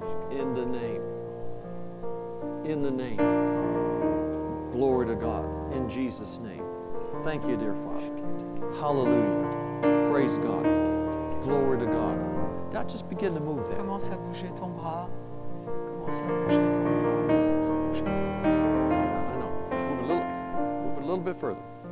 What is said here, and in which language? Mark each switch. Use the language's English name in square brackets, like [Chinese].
[English] In the name. In the name. Glory to God. In Jesus' name. Thank you, dear Father. Hallelujah. Praise God. Glory to God. Now just begin to move there. [French] Commence à bouger ton bras. Commence à bouger ton bras. [English] I know. Move a little bit further.